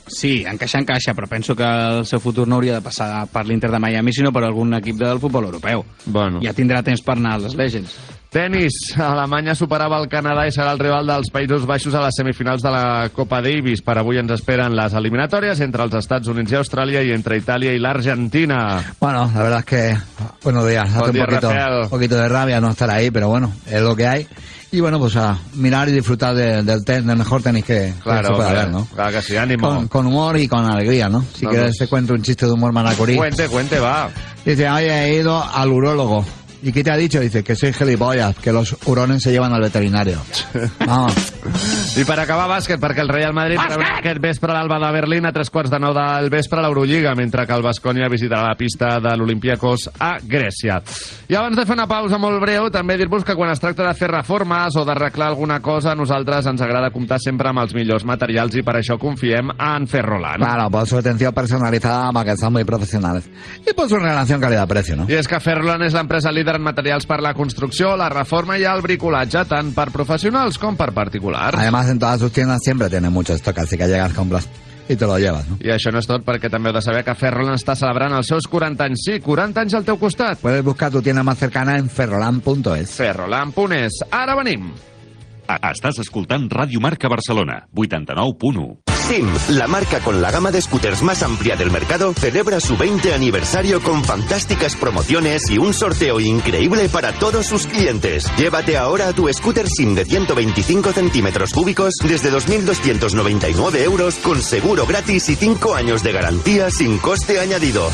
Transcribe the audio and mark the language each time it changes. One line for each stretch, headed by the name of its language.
Catalan: Sí, encaixa, però penso que el seu futur no hauria de passar per l'Inter de Miami, sinó per algun equip del futbol europeu.
Spanish: Bueno.
Catalan: Ja tindrà temps per anar a les Legends. Tenis. Alemanya superava el Canadà i serà el rival dels Països Baixos a les semifinals de la Copa Davis. Per avui ens esperen les eliminatòries entre els Estats Units i Austràlia i entre Itàlia i l'Argentina.
Spanish: Bueno, la verdad es que... Buenos días.
Catalan: Bon dia,
Spanish: un poquito, Rafael. Un poquito de rabia no estar ahí, pero bueno, es lo que hay. Y bueno, pues a mirar y disfrutar del mejor tenis que, claro, que se puede haber, ¿no? Claro que sí, ánimo. Con humor y con alegría, ¿no? Si quieres te cuento un chiste de humor manacorí. Cuente, va. Dice, oye, he ido al urólogo. ¿Y qué te ha dicho? Dice que soy gilipollas, que los hurones se llevan al veterinario. Vamos.
Catalan: I per acabar, bàsquet, perquè el Real Madrid rebrà aquest vespre l'Alba de Berlín a 3:15 del vespre a l'Eurolliga, mentre que el Baskonia visitarà la pista de l'Olympiacos a Grècia. I abans de fer una pausa molt breu, també dir-vos que quan es tracta de fer reformes o d'arreglar alguna cosa, a nosaltres ens agrada comptar sempre amb els millors materials i per això confiem en Ferrolan.
Spanish: Claro, por su atención personalizada,
Catalan: amb aquests
Spanish: són muy profesionales. Y por su relación calidad-precio, ¿no?
Catalan: I és que Ferrolan és l'empresa líder en materials per la construcció, la reforma i el bricolatge, tant per professionals com per particulars.
Spanish: Además, en todas sus tiendas siempre tienen muchos toques, así que llegas, compras y te lo llevas, ¿no?
Catalan: I això no és tot, perquè també heu de saber que Ferrolan està celebrant els seus 40 anys. Sí, 40 anys al teu costat.
Spanish: Puedes buscar tu tienda más cercana en ferrolan.es.
Catalan: Ferrolan.es. Ara venim. Estàs escoltant Ràdio Marca Barcelona, 89.1.
Spanish: Sim, la marca con la gama de scooters más amplia del mercado, celebra su 20 aniversario con fantásticas promociones y un sorteo increíble para todos sus clientes. Llévate ahora tu scooter Sim de 125 centímetros cúbicos desde 2.299 euros con seguro gratis y 5 años de garantía sin coste añadido.